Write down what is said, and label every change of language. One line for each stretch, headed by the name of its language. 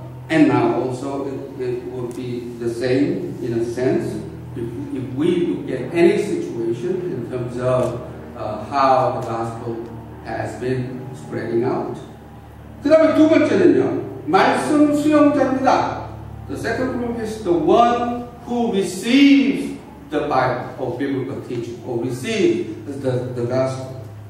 English: And now also it would be the same in a sense if we look at any situation in terms of how the gospel has been spreading out.
Korean: 그 다음에 두 번째는요, 말씀 수용자입니다.
English: The second group is the one who receives the Bible or biblical teaching, or receive the gospel.